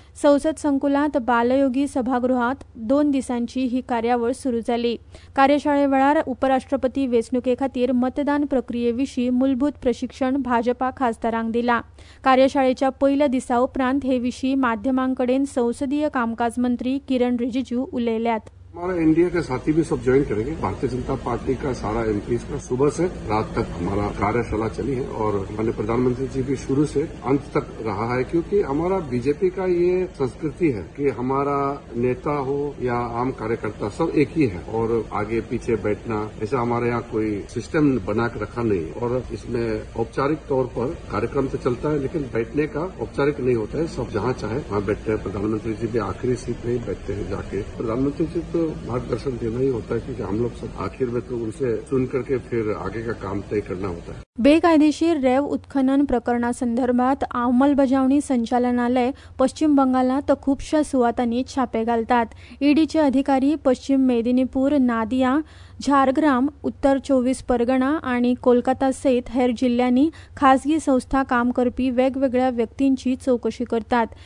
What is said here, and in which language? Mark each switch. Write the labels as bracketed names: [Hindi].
[Goan Konkani] संसद संकुलात बालयोगी सभागृहात 2 दिसांची ही कार्यावळ सुरू झाली. कार्यशाळेवेळार उपराष्ट्रपती वेंचणुकेखातीर मतदान प्रक्रियेविशी मूलभूत प्रशिक्षण भाजपा खासदारांक दिला. कार्यशाळेच्या पहिल्या दिसा उपरांत हे विशी माध्यमांकडेन संसदीय कामकाज मंत्री किरण रिजिजू उलयल्यात. [Hindi] हमारा एनडीए के साथी भी सब ज्वाइन करेंगे. भारतीय जनता पार्टी का सारा एमपी का सुबह से रात तक हमारा कार्यशाला चली है और माननीय प्रधानमंत्री जी भी शुरू से अंत तक रहा है, क्योंकि हमारा बीजेपी का ये संस्कृति है कि हमारा नेता हो या आम कार्यकर्ता सब एक ही है और आगे पीछे बैठना ऐसा हमारे यहाँ कोई सिस्टम बनाकर रखा नहीं है. और इसमें औपचारिक तौर पर कार्यक्रम तो चलता है लेकिन बैठने का औपचारिक नहीं होता है. सब जहां चाहे वहां बैठते हैं. प्रधानमंत्री जी भी आखिरी सीट पर ही बैठते हैं जाके. प्रधानमंत्री जी तो मार्गदर्शन देना ही होता है क्योंकि हम लोग सब आखिर में तो उनसे सुन करके फिर आगे का काम तय करना होता है. [Goan Konkani] बेकायदेशीर रेव उत्खनन प्रकरणासंदर्भात अंमलबजावणी संचालनालय पश्चिम बंगालात खुपशा सुवातांनी छापे घालतात. ईडीचे अधिकारी पश्चिम मेदिनीपूर, नादिया, झारग्राम, उत्तर 24 परगणा आणि कोलकाता सहित हेर जिल्ह्यांनी खासगी संस्था काम करपी वेगवेगळ्या व्यक्तींची चौकशी करतात.